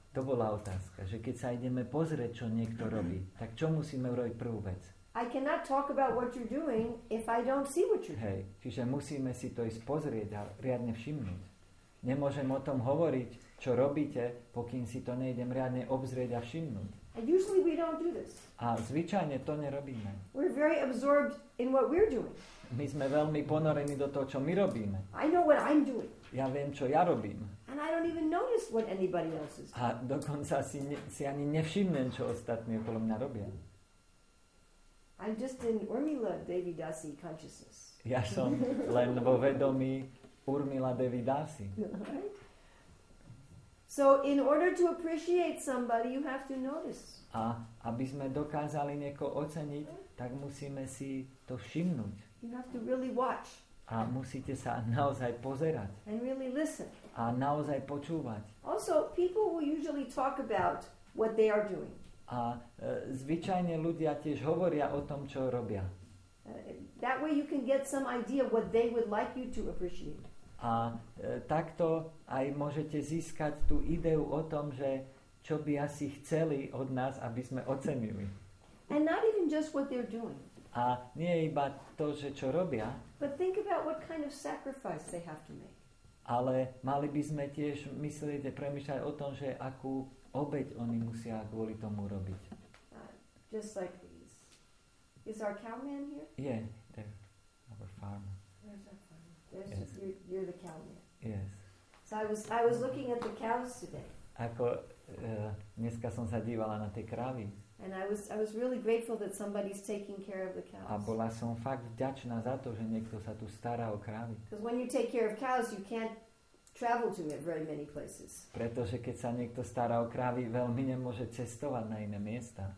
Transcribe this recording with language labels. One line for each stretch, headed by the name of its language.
Slovak: To bola otázka, že keď sa ideme pozrieť, čo niekto robí, tak čo musíme urobiť prvú vec?
English: I cannot talk about what you're doing if I don't see what you're doing.
Slovak: Hej, čiže musíme si to ísť pozrieť a riadne všimnúť. Nemôžem o tom hovoriť, čo robíte, pokým si to nejdem riadne obzrieť a všimnúť.
English: And usually we don't do this.
Slovak: A zvyčajne to nerobíme.
English: We're very absorbed in what we're doing.
Slovak: My sme veľmi ponorení do toho, čo my robíme.
English: I know what I'm doing.
Slovak: Ja viem, čo ja robím.
English: And I don't even notice what anybody else is doing.
Slovak: A dokonca si ani nevšimnem, čo ostatní okolo mňa robia.
English: I'm just in Urmila Devi Dasi consciousness.
Slovak: Ja som len vo vedomí Urmila Devi Dasi.
English: So in order to appreciate somebody, you have to notice.
Slovak: A aby sme dokázali niekoho oceniť, tak musíme si to všimnúť.
English: You have to really watch.
Slovak: A musíte sa naozaj pozerať.
English: And really listen.
Slovak: A naozaj počúvať.
English: Also, people will usually talk about what they are doing.
Slovak: A zvyčajne ľudia tiež hovoria o tom, čo robia.
English: That way you can get some idea what they would like you to appreciate.
Slovak: A takto aj môžete získať tú ideu o tom, že čo by asi chceli od nás, aby sme ocenili.
English: And not even just what they're doing.
Slovak: A nie iba to, že čo robia.
English: But think about what kind of sacrifice they have to make.
Slovak: Ale mali by sme tiež myslieť a premýšľať o tom, že akú obeť oni musia kvôli tomu robiť.
English: Just like these. Is our cowman here? Yeah, there. Our farmer. Yes. Yes. So I was looking at the cows today.
Slovak: Ako dneska som sa dívala na tie krávy.
English: And I was really grateful that somebody's taking care of the cows.
Slovak: A bola som fakt vďačná za to, že niekto sa tu stará o krávy.
English: Because when you take care of cows, you can't travel to very many places.
Slovak: Pretože keď sa niekto stará o krávy, veľmi nemôže cestovať na iné miesta.